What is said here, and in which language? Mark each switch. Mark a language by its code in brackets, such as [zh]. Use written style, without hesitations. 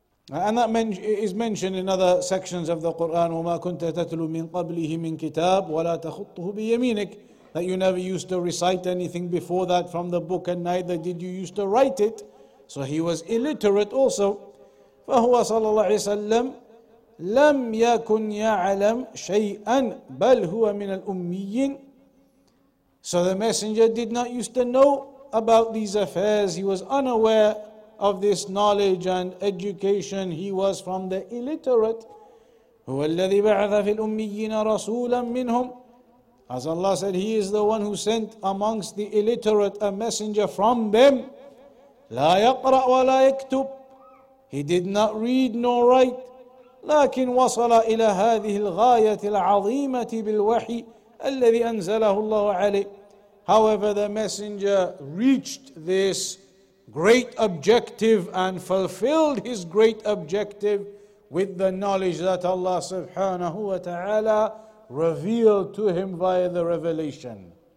[en] And that is mentioned in other sections of the Quran. [ar] وَمَا كُنْتَ تَتْلُو مِنْ قَبْلِهِ مِنْ كِتَابٍ وَلَا تَخُطُّهُ بِيَمِينِكَ. [en] That you never used to recite anything before that from the book, and neither did you used to write it. So he was illiterate also. [ar] فهو صلى الله عليه وسلم لم يكن يعلم شيئا بل هو من الأميين. [en] So the messenger did not used to know about these affairs. He was unaware of this knowledge and education. He was from the illiterate. [ar] هو الذي بعث في الأميين رسولا منهم. [en] As Allah said, He is the one who sent amongst the illiterate a messenger from them. لا يقرأ ولا يكتب. He did not read nor write. [ar] لكن وصل إلى هذه الغاية العظيمة بالوحي الذي أنزله الله عليه. [en] However, the messenger reached this great objective and fulfilled his great objective with the knowledge that Allah subhanahu wa ta'ala revealed to him via the revelation.